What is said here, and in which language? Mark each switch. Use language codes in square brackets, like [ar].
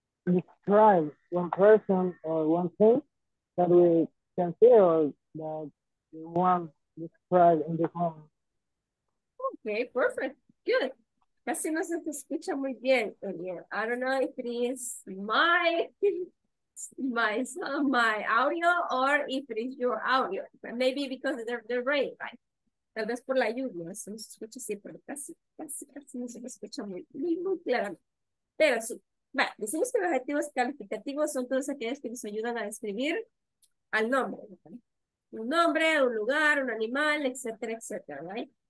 [en] describe one person or one thing that we can see or that we want to describe in the comments. Okay, perfect. Good. [es] Casi no se te escucha muy bien, Daniel. [en] I don't know if it is my audio or if it is your audio. Maybe because of the rain, right? [es] Tal vez por la lluvia, eso no se escucha así, pero casi no se escucha muy claramente. Pero sí. Bueno, decimos que los adjetivos calificativos son todos aquellos que nos ayudan a describir al nombre, ¿verdad? Un nombre, un lugar, un animal, etcétera, etcétera, ¿right?